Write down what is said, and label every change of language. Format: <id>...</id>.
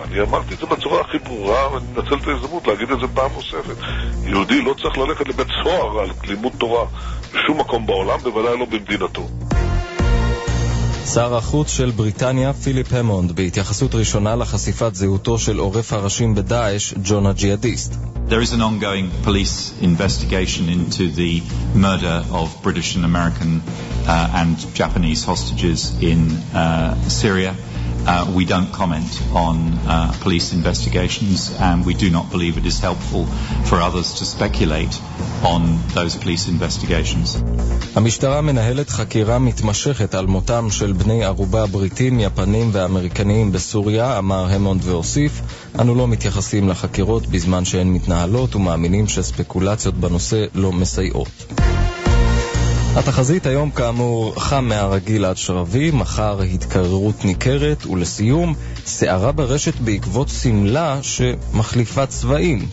<he>אני אמרתי את זה בצורה הכי ברורה, ואני מנצל את ההזדמנות להגיד את זה פעם נוספת. יהודי לא צריך ללכת לבית סוהר על לימוד תורה בשום מקום בעולם, בוודאי לא במדינתו. שר החוץ של בריטניה, פיליפ המונד, בהתייחסות ראשונה לחשיפת זהותו של עורף הראשים בדאש, ג'ון הג'יהאדיסט.</he> <en>There is an ongoing police investigation into the murder of British and American and Japanese hostages in Syria. We don't comment on police investigations, and we do not believe it is helpful for others to speculate on those police investigations.</en> <he>המשטרה מנהלת חקירה מתמשכת על מותם של בני ערובה בריטים, יפנים ואמריקנים בסוריה, אמר המונד והוסיף. אנו לא מתייחסים לחקירות בזמן שהן מתנהלות ומאמינים שספקולציות בנושא לא מסייעות. התחזית היום כאמור חם מהרגיל עד שרבי, מחר התקררות ניכרת ולסיום שערה ברשת בעקבות סמלה שמחליפה צבעים.</he>